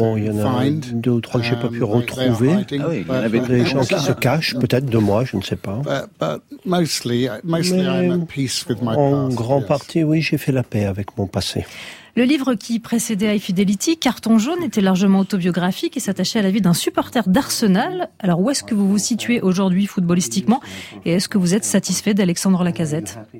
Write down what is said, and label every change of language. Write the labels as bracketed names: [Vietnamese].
[French] Bon, il y en a deux ou trois que j'ai pas pu retrouver. Ah oui, il y avait des gens qui se cachent peut-être de moi, je ne sais pas. [English] But mostly I'm at peace with my past. [French] En grande partie, oui, j'ai fait la paix avec mon passé. Le livre qui précédait High Fidelity, Carton jaune, était largement autobiographique et s'attachait à la vie d'un supporter d'Arsenal. Alors où est-ce que vous vous situez aujourd'hui footballistiquement et est-ce que vous êtes satisfait d'Alexandre Lacazette?